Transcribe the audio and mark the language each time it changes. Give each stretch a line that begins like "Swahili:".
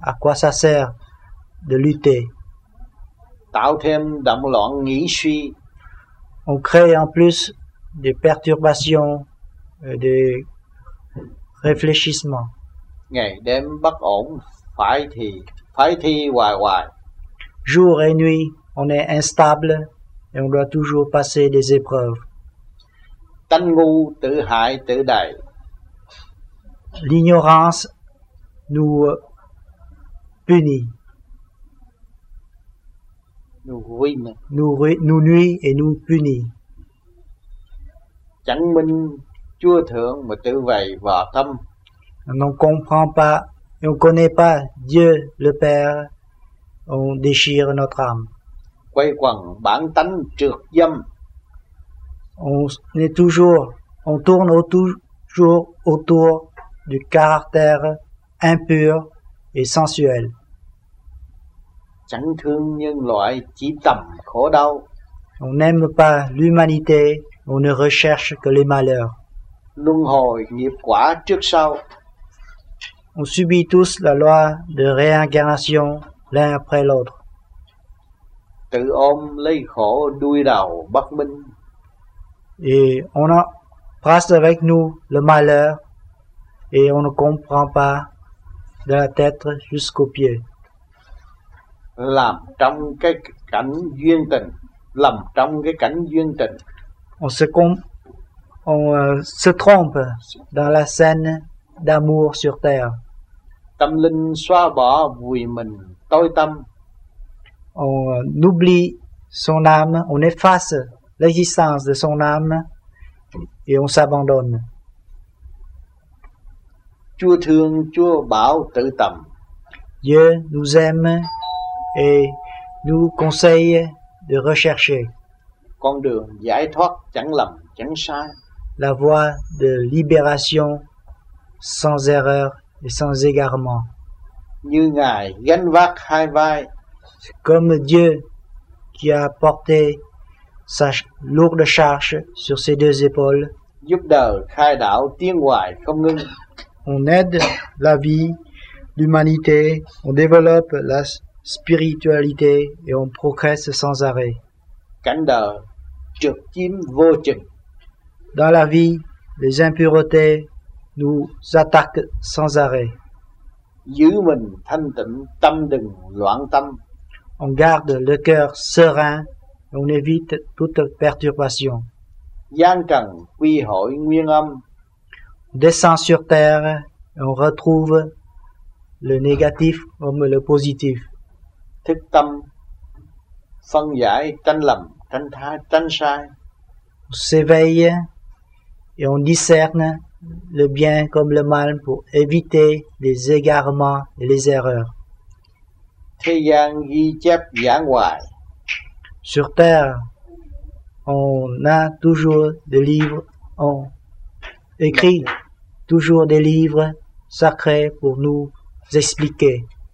French: À quoi ça sert de lutter?
Vietnamese: Tạo thêm động loạn nghĩ suy.
French: On crée en plus des perturbations des réfléchissements.
Vietnamese: Ngày đêm bất ổn, phải thi hoài hoài.
French: Jour et nuit, on est instable et on doit toujours passer des épreuves.
Vietnamese: Tánh ngu tự hại tự đày.
French: L'ignorance nous punit. Nous ruine. Nous nuit et nous punit.
Vietnamese: Chẳng minh chúa thượng mà tự vầy vò tâm.
French: On comprend pas, et on connaît pas Dieu le Père, on déchire notre âme.
Vietnamese: Quay quẳng bản tánh trược dâm.
French: On est toujours, on tourne toujours autour du caractère impur et sensuel.
Vietnamese: Chẳng thương nhân loại, chỉ tầm khổ đau.
French: On n'aime pas l'humanité, on ne recherche que les malheurs.
Vietnamese: Luân hồi nghiệp quả trước sau.
French: On subit tous la loi de réincarnation l'un après l'autre.
Vietnamese: Tự ôm lấy khổ đuôi đầu bất minh.
French: Et on a brasse avec nous le malheur et on ne comprend pas de la tête jusqu'aux pieds.
Vietnamese: Làm trong cái cảnh duyên tình, làm trong cái cảnh duyên tình.
French: On se trompe dans la scène d'amour sur terre.
Vietnamese: Tâm linh xóa bỏ vùi mình tối tâm.
French: On oublie son âme, on efface l'existence de son âme et on s'abandonne.
Vietnamese: Chúa thương, Chúa bảo tự tầm.
French: Dieu nous aime et nous conseille de rechercher.
Vietnamese: Con đường giải thoát chẳng lầm chẳng sai.
French: La voie de libération sans erreur et sans égarement.
Vietnamese: Như ngài gánh vác hai vai.
French: Comme Dieu qui a porté sa lourde charge sur ses deux épaules.
Vietnamese: Giúp đời khai đạo tiến hoài không ngưng.
French: On aide la vie, l'humanité, on développe la spiritualité et on progresse sans arrêt.
Vietnamese: Cảnh đời trực chiếm vô chừng.
French: Dans la vie, les impuretés nous attaquent sans arrêt.
Vietnamese: Giữ mình thanh tịnh, tâm đừng loạn tâm.
French: On garde le cœur serein et on évite toute perturbation.
Vietnamese: Giang trần quy hội nguyên âm.
French: On descend sur terre et on retrouve le négatif comme le positif.
Vietnamese: Thức tâm phân giải tranh lầm tranh thái tranh sai.
French: On s'éveille et on discerne le bien comme le mal pour éviter les égarements et les erreurs.
Vietnamese: Thế gian ghi chép giảng hoài.
French: Sur terre, on a toujours des livres, on écrit toujours des livres sacrés pour nous expliquer.